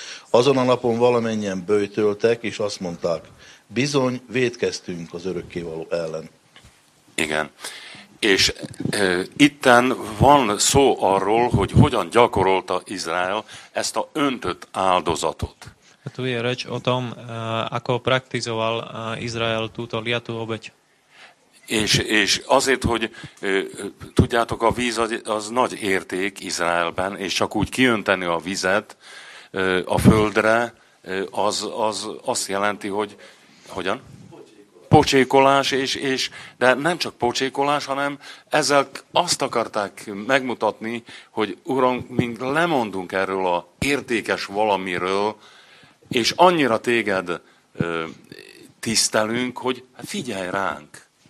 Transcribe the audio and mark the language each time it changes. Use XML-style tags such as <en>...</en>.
<hu>Azon a napon valamennyien böjtöltek, és azt mondták, bizony, vétkeztünk az örökkévaló ellen. Igen. És itten van szó arról, hogy hogyan gyakorolta Izrael ezt a öntött áldozatot.</hu> <sk>Tu je reč o tom, ako praktizoval Izrael túto liatú obeť.</sk> <hu>És azért, hogy tudjátok, a víz az nagy érték Izraelben, és csak úgy kiönteni a vizet a földre, az azt jelenti, hogy hogyan? Pocsékolás, és de nem csak pocsékolás, hanem ezzel azt akarták megmutatni, hogy Uram, mink lemondunk erről a értékes valamiről, és annyira téged tisztelünk, hogy figyelj ránk.</hu>